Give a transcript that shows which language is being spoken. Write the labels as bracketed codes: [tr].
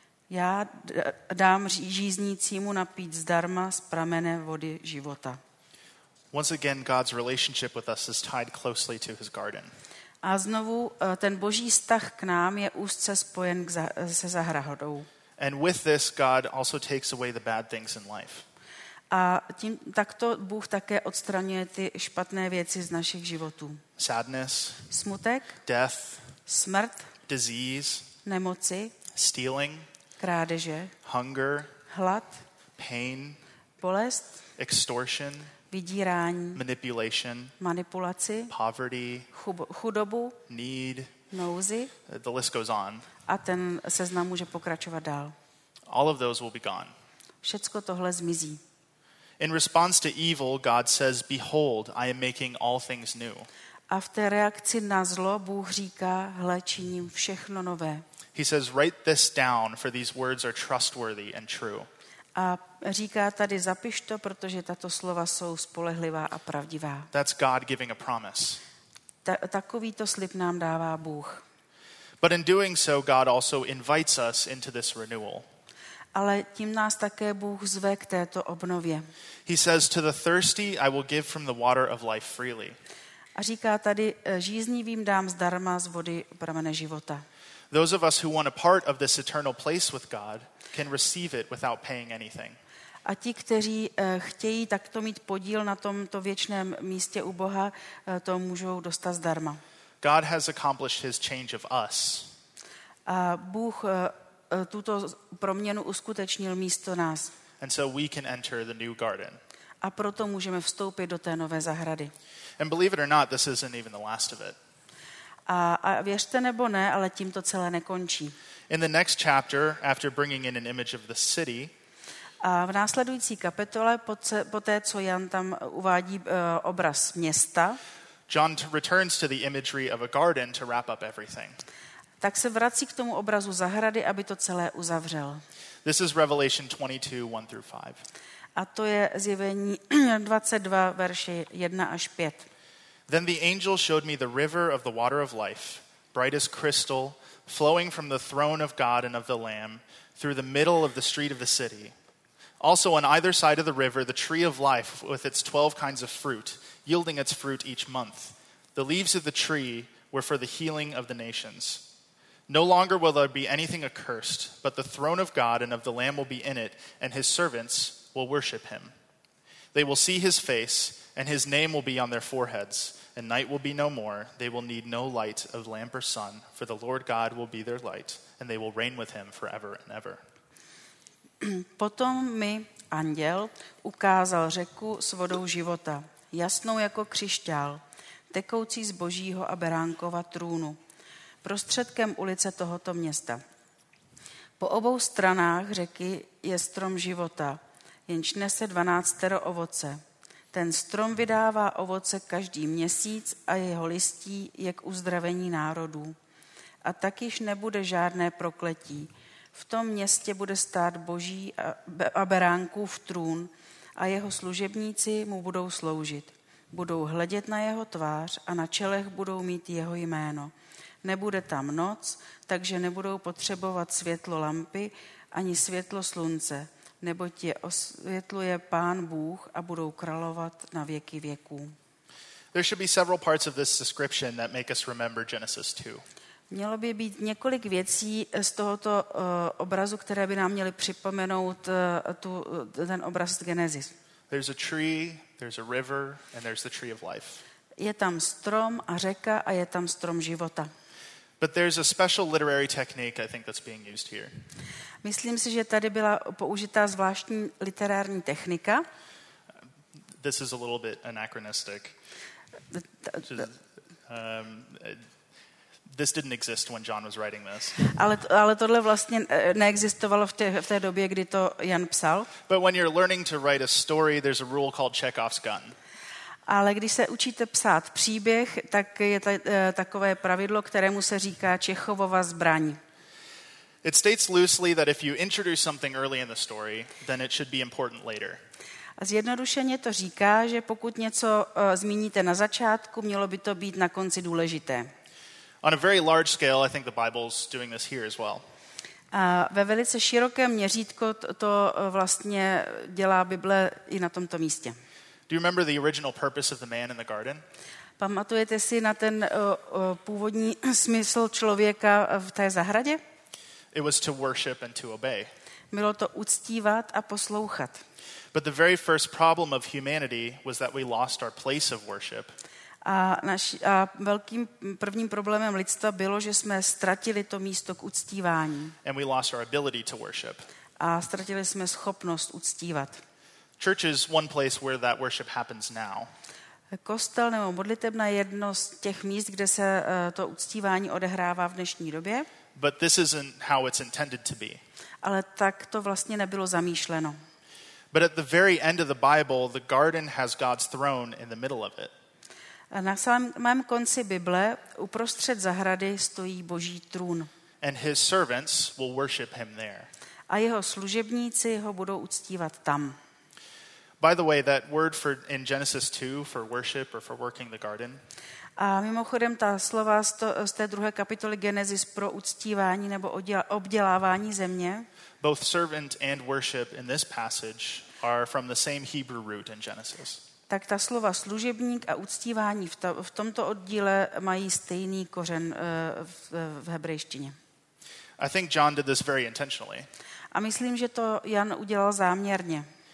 [cs] Já dám žíznícímu napít zdarma z pramene vody života. [en] Once again, God's relationship with us is tied closely to his garden. [cs] A znovu ten Boží vztah k nám je úzce spojen se zahradou. [en] And with this God also takes away the bad things in life. [cs] A tím takto Bůh také odstraňuje ty špatné věci z našich životů. [en] Sadness. [cs] Smutek. [en] Death. [cs] Smrt. [en] Disease. [cs] Nemoci. [en] Stealing. [cs] Krádeže. [en] Hunger. [cs] Hlad. [en] Pain. [cs] bolest, [en] extortion, [cs] vydírání, [en] manipulation, [cs] manipulaci, [en] poverty, [cs] chudobu, [en] need, [cs] nouzi. [en] The list goes on. [cs] A ten seznam může pokračovat dál. [en] All of those will be gone. [cs] Všecko tohle zmizí. [en] In response to evil, God says, "Behold, I am making all things new." [cs] A v té reakci na zlo Bůh říká, hle, činím všechno nové. [en] He says, write this down, for these words are trustworthy and true. [cs] A říká tady, zapiš to, protože tato slova jsou spolehlivá a pravdivá. [en] That's God giving a promise. [cs] Takovýto slib nám dává Bůh. [en] But in doing so, God also invites us into this renewal. [cs] Ale tím nás také Bůh zve k této obnově. [en] He says, to the thirsty I will give from the water of life freely. [cs] A říká tady, žíznivým dám zdarma z vody pramene života. [en] Those of us who want a part of this eternal place with God can receive it without paying anything. [cs] A ti, kteří chtějí takto mít podíl na tomto věčném místě u Boha, to můžou dostat zdarma. [en] God has accomplished his change of us. [cs] A Bůh tuto proměnu uskutečnil místo nás. [en] And so we can enter the new garden. [cs] A proto můžeme vstoupit do té nové zahrady. [en] And believe it or not, this isn't even the last of it. [cs] A věřte nebo ne, ale tím to celé nekončí. [en] In the next chapter, after bringing in an image of the city, [cs] a v následující kapitole, poté co Jan tam uvádí obraz města, [en] John returns to the imagery of a garden to wrap up everything. [cs] Tak se vrací k tomu obrazu zahrady, aby to celé uzavřel. [en] This is Revelation 22:1-5. [cs] A to je zjevení 22, verše 1 až 5. [en] Then the angel showed me the river of the water of life, bright as crystal, flowing from the throne of God and of the Lamb, through the middle of the street of the city. Also on either side of the river, the tree of life with its 12 kinds of fruit, yielding its fruit each month. The leaves of the tree were for the healing of the nations. No longer will there be anything accursed, but the throne of God and of the Lamb will be in it, and his servants will worship him. They will see his face, and his name will be on their foreheads, and night will be no more. They will need no light of lamp or sun, for the Lord God will be their light, and they will reign with him forever and ever. [cs] Potom mi anděl ukázal řeku s vodou života, jasnou jako křišťál, tekoucí z Božího a Beránkova trůnu, prostředkem ulice tohoto města. Po obou stranách řeky je strom života, jenž nese 12 ovoce. Ten strom vydává ovoce každý měsíc a jeho listí je k uzdravení národů. A tak již nebude žádné prokletí. V tom městě bude stát Boží a Beránkův trůn a jeho služebníci mu budou sloužit. Budou hledět na jeho tvář a na čelech budou mít jeho jméno. Nebude tam noc, takže nebudou potřebovat světlo lampy ani světlo slunce, neboť je osvětluje Pán Bůh a budou královat na věky věků. [en] There should be several parts of this description that make us remember Genesis 2. [cs] Mělo by být několik věcí z tohoto obrazu, které by nám měly připomenout ten obraz z Genesis. [en] There's a tree, there's a river, and there's the tree of life. [cs] Je tam strom a řeka a je tam strom života. [en] But there's a special literary technique I think that's being used here. [cs] Myslím si, že tady byla použita zvláštní literární technika. [en] This is a little bit anachronistic. This didn't exist when John was writing this. [cs] Ale tohle vlastně neexistovalo v té době, kdy to Jan psal. [en] But when you're learning to write a story, there's a rule called Chekhov's gun. [cs] Ale když se učíte psát příběh, tak je takové pravidlo, kterému se říká Čechovova zbraň. [en] It states loosely that if you introduce something early in the story, then it should be important later. [cs] A zjednodušeně to říká, že pokud něco zmíníte na začátku, mělo by to být na konci důležité. [en] On a very large scale, I think the Bible's doing this here as well. [cs] A ve velice širokém měřítku to vlastně dělá Bible i na tomto místě. [en] Do you remember the original purpose of the man in the garden? [cs] Pamatujete si na ten původní smysl člověka v té zahradě? [en] It was to worship and to obey. [cs] Bylo to uctívat a poslouchat. [en] But the very first problem of humanity was that we lost our place of worship. [cs] A velkým prvním problémem lidstva bylo, že jsme ztratili to místo k uctívání. [en] And we lost our ability to worship. [cs] A ztratili jsme schopnost uctívat. [en] Church is one place where that worship happens now. [cs] Kostel nebo modlitebna je jedno z těch míst, kde se to uctívání odehrává v dnešní době. [en] But this isn't how it's intended to be. [cs] Ale tak to vlastně nebylo zamýšleno. [en] But at the very end of the Bible, the garden has God's throne in the middle of it. [cs] A na samém konci Bible uprostřed zahrady stojí Boží trůn. [en] And his servants will worship him there. [cs] A jeho služebníci ho budou uctívat tam. [en] By the way, that word for in Genesis 2 for worship or for working the garden. [cs] A mimochodem ta slova z té druhé kapitoly Genesis pro uctívání nebo obdělávání země. [en] Both servant and worship in this passage are from the same Hebrew root in Genesis. [cs] Tak ta slova služebník a uctívání v tomto oddíle mají stejný kořen v hebrejštině. [en] I think John did this very intentionally. [cs] A myslím, že to Jan udělal záměrně.